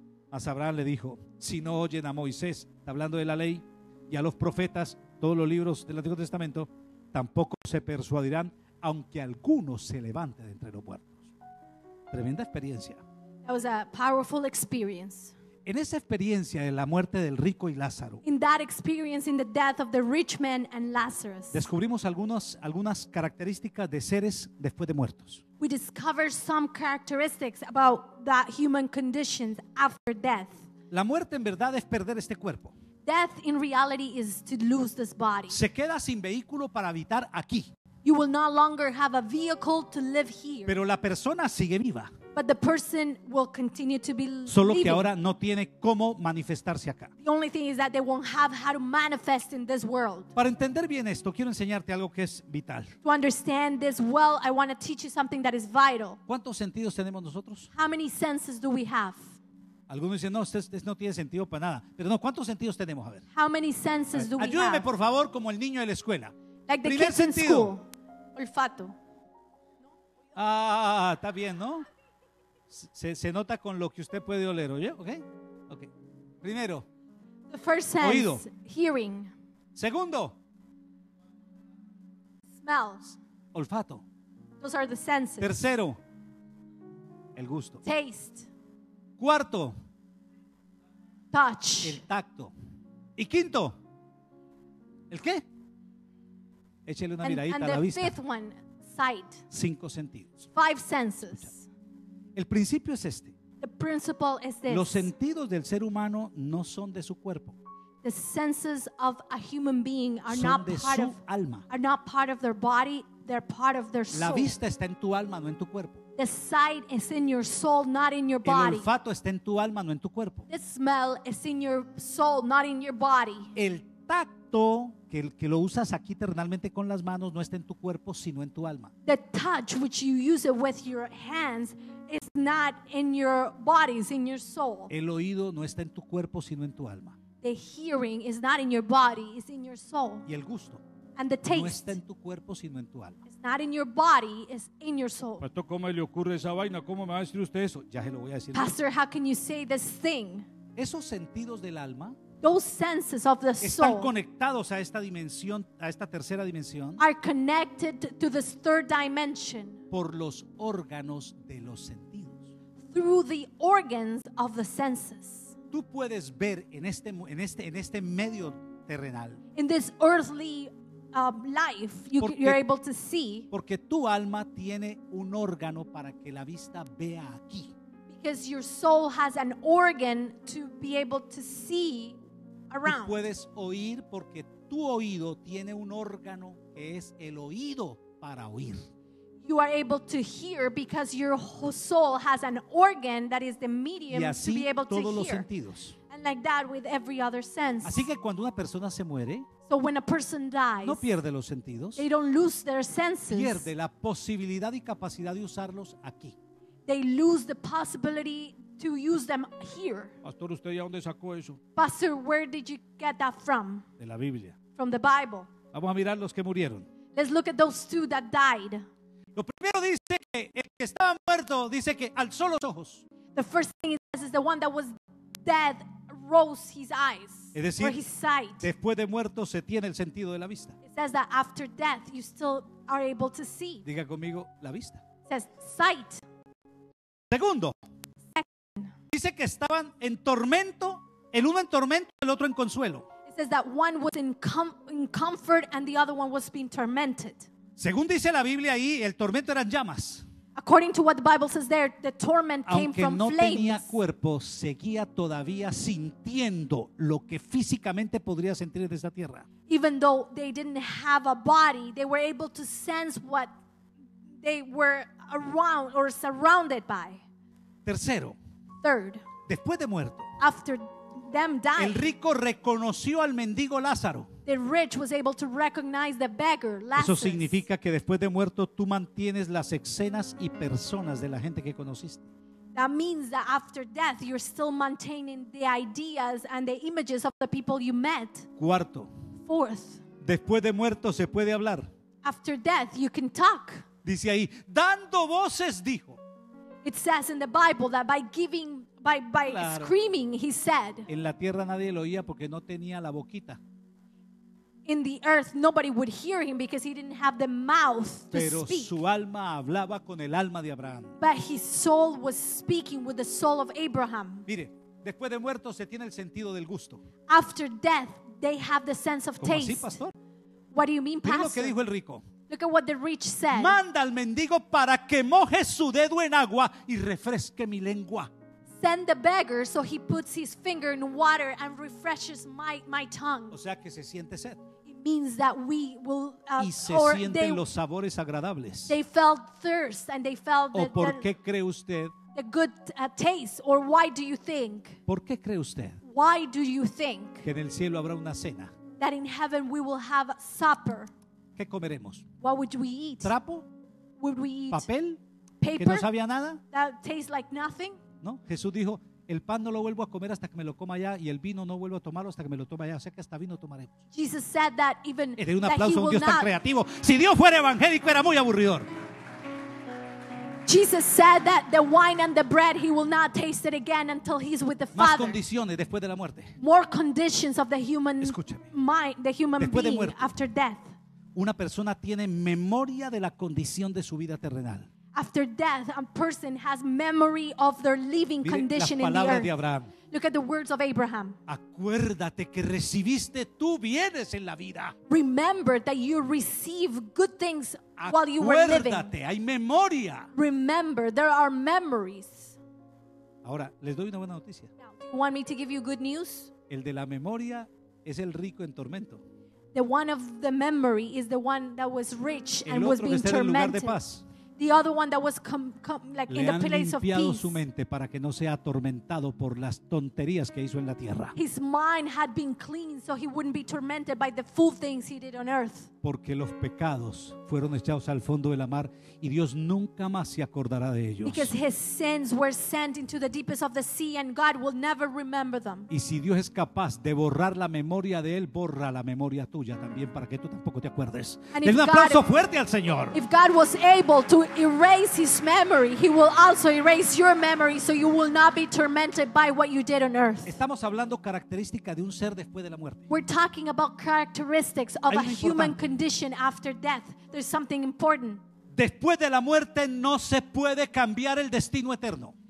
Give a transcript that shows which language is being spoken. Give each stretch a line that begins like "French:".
Spanish: Mas Abraham le dijo: si no oyen a Moisés, hablando de la ley, y a los profetas, todos los libros del Antiguo Testamento, tampoco se persuadirán, aunque alguno se levante de entre los muertos. Tremenda experiencia.
English: That was a powerful experience.
Spanish: En esa experiencia de la muerte del rico y Lázaro,
English: in that experience, in the death of the rich man and Lazarus,
Spanish: descubrimos algunas características de seres después de muertos.
English: We discover some characteristics about that human conditions after death.
Spanish: La muerte en verdad es perder este cuerpo.
English: Death in reality is to lose this body.
Spanish: Se queda sin vehículo para habitar aquí.
English: You will no longer have a vehicle to live here.
Spanish: Pero la persona sigue viva.
English: But the person will continue to be living.
Spanish: Solo que ahora no tiene cómo manifestarse acá.
English: The only thing is that they won't have how to manifest in this world.
Spanish: Para entender bien esto, quiero enseñarte algo que es vital.
English: To understand this well, I want to teach you something that is vital.
Spanish: ¿Cuántos sentidos tenemos nosotros?
English: How many senses do we have?
Spanish: Algunos dicen: no, esto no tiene sentido para nada. Pero no, ¿cuántos sentidos tenemos? A ver.
English: How many senses do we have?
Spanish: Ayúdame, por favor, como el niño de la escuela.
English: Like the
Spanish: primer sentido. Olfato. Ah, está bien, ¿no? Se nota con lo que usted puede oler, ¿oye? ¿Okay? Okay. Primero.
English: The first sense,
Spanish: oído.
English: Hearing.
Spanish: Segundo.
English: Smells.
Spanish: Olfato.
English: Those are the senses.
Spanish: Tercero. El gusto.
English: Taste.
Spanish: Cuarto.
English: Touch.
Spanish: El tacto. Y quinto. ¿El qué? Échele una miradita
English: and
Spanish: a la vista.
English: And the fifth one, sight.
Spanish: 5 sentidos.
English: 5 senses.
Spanish: Escucha. El principio es este.
English: The principle is this.
Spanish: Los sentidos del ser humano no son de su cuerpo.
English: The senses of a human being are
Spanish: son
English: not
Spanish: de
English: part
Spanish: su
English: of,
Spanish: alma.
English: Are not part of their body, they're part of their soul.
Spanish: La vista está en tu alma, no en tu cuerpo.
English: The sight is in your soul, not in your body.
Spanish: El olfato está en tu alma, no en tu cuerpo.
English: The smell is in your soul, not in your body.
Spanish: El tacto, que lo usas aquí terrenalmente con las manos, no está en tu cuerpo, sino en tu alma.
English: The touch which you use it with your hands, it's not in your body, it's in your soul.
Spanish: El oído no está en tu cuerpo, sino en tu alma.
English: The hearing is not in your body, it's in your soul.
Spanish: Y el gusto.
English: And the taste.
Spanish: No está en tu cuerpo, sino en tu alma.
English: It's not in your body, it's in your soul.
Spanish: Pastor, ¿cómo le ocurre esa vaina? ¿Cómo me va a decir usted eso? Ya se lo voy a decir.
English: Pastor, how can you say this thing?
Spanish: Esos sentidos del alma.
English: Those senses of the soul.
Spanish: Están conectados a esta dimensión, a esta tercera dimensión.
English: Are connected to this third dimension.
Spanish: Por los órganos de los sentidos.
English: Through the organs of the senses.
Spanish: Tú puedes ver en este medio terrenal.
English: In this earthly life, you're able to see.
Spanish: Porque tu alma tiene un órgano para que la vista vea aquí.
English: Because your soul has an organ to be able to see around.
Spanish: Tú puedes oír porque tu oído tiene un órgano que es el oído para oír.
English: You are able to hear because your whole soul has an organ that is the medium to be able
Spanish: todos
English: to hear.
Spanish: Los sentidos.
English: And like that with every other sense.
Spanish: Así que cuando una persona se muere,
English: so when a person dies,
Spanish: no pierde los sentidos.
English: They don't lose their senses.
Spanish: Pierde la posibilidad y capacidad de usarlos aquí.
English: They lose the possibility to use them here.
Spanish: Pastor, ¿usted ya dónde sacó eso?
English: Pastor, where did you get that from?
Spanish: De la Biblia.
English: From the Bible.
Spanish: Vamos a mirar los que murieron.
English: Let's look at those two that died.
Spanish: Lo primero dice que el que estaba muerto dice que alzó los ojos.
English: The first thing it says is the one that was dead rose his eyes.
Spanish: Es decir,
English: or his sight.
Spanish: Después de muerto se tiene el sentido de la vista.
English: It says that after death you still are able to see.
Spanish: Diga conmigo, la vista.
English: It says sight.
Spanish: Segundo. Dice que estaban en tormento, el uno en tormento, el otro en consuelo.
English: It says that one was in comfort and the other one was being tormented.
Spanish: Según dice la Biblia ahí, el tormento eran llamas.
English: According to what the Bible says there, the torment came
Spanish: aunque
English: from
Spanish: no
English: flames.
Spanish: Tenía cuerpo, seguía todavía sintiendo lo que físicamente podría sentir en esta tierra.
English: Even though they didn't have a body, they were able to sense what they were around or surrounded by.
Spanish: Tercero.
English: Third,
Spanish: después de muerto,
English: after them dying,
Spanish: el rico reconoció al mendigo Lázaro.
English: The rich was able to recognize the beggar, Lazarus.
Spanish: Eso significa que después de muerto tú mantienes las escenas y personas de la gente que conociste.
English: That means that after death you're still maintaining the ideas and the images of the people you met.
Spanish: Cuarto.
English: Fourth.
Spanish: Después de muerto se puede hablar.
English: After death you can talk.
Spanish: Dice ahí, dando voces dijo.
English: It says in the Bible that by giving by claro. Screaming he said.
Spanish: En la tierra nadie lo oía porque no tenía la boquita.
English: In the earth nobody would hear him because he didn't have the mouth to
Spanish: Pero
English: speak.
Spanish: Su alma hablaba con el alma de Abraham.
English: But his soul was speaking with the soul of Abraham.
Spanish: Mire, después de muerto se tiene el sentido del gusto.
English: After death they have the sense of taste.
Spanish: ¿Cómo así, pastor?
English: What do you mean, pastor?
Spanish: Mira lo que dijo el rico.
English: Look at what the rich said.
Spanish: Manda al mendigo para que moje su dedo en agua y refresque mi lengua.
English: Send the beggar so he puts his finger in water and refreshes my tongue.
Spanish: O sea que se siente sed.
English: It means that we will
Spanish: y se or sienten they, los sabores agradables.
English: They felt thirst and they felt
Spanish: ¿O por qué cree usted?
English: The good taste or why do you think?
Spanish: ¿Por qué cree usted?
English: Why do you think?
Spanish: Que en el cielo habrá una cena.
English: That in heaven we will have supper.
Spanish: ¿Qué comeremos?
English: What would we eat?
Spanish: ¿Trapo?
English: Would we eat
Spanish: papel?
English: Paper?
Spanish: ¿Que no sabía nada?
English: That tastes like nothing.
Spanish: ¿No? Jesús dijo, el pan no lo vuelvo a comer hasta que me lo coma allá y el vino no vuelvo a tomarlo hasta que me lo tome allá. O sea que hasta vino tomaremos.
English: Jesus said that even
Spanish: de un aplauso a un Dios tan creativo. Si Dios fuera evangélico era muy aburridor.
English: Jesus said that the wine and the bread he will not taste it again until he's with the Father.
Spanish: Más condiciones después de la muerte.
English: More conditions of the human mind, the human
Spanish: después
English: being
Spanish: de muerte,
English: after death.
Spanish: Una persona tiene memoria de la condición de su vida terrenal.
English: After death, a person has memory of their living condition in the earth. Look at the words of Abraham.
Spanish: Acuérdate que recibiste tú bienes en la vida.
English: Remember that you receive good things
Spanish: Acuérdate,
English: while you were living.
Spanish: Acuérdate, hay memoria.
English: Remember, there are memories.
Spanish: Ahora, les doy una buena noticia.
English: Now, want me to give you good news?
Spanish: El de la memoria es el rico en tormento.
English: The one of the memory is the one that was rich
Spanish: el
English: and was being tormented.
Spanish: El otro que está en el lugar de paz.
English: The other one that was like
Spanish: Le
English: in the place of peace.
Spanish: Su mente para que no sea atormentado por las tonterías que hizo en la tierra.
English: His mind had been cleaned so he wouldn't be tormented by the fool things he did on earth.
Spanish: Porque los pecados fueron echados al fondo de la mar y Dios nunca más se acordará de ellos.
English: Because his sins were sent into the deepest of the sea and God will never remember them.
Spanish: Y si Dios es capaz de borrar la memoria de él, borra la memoria tuya también para que tú tampoco te acuerdes. Den un aplauso fuerte al Señor.
English: If God was able to erase his memory, he will also erase your memory so you will not be tormented by what you did on earth. Estamos hablando característica de un ser después de la muerte. We're talking about characteristics of a human condition after death. There's something important.
Spanish: Después de la muerte no se puede cambiar el destino eterno.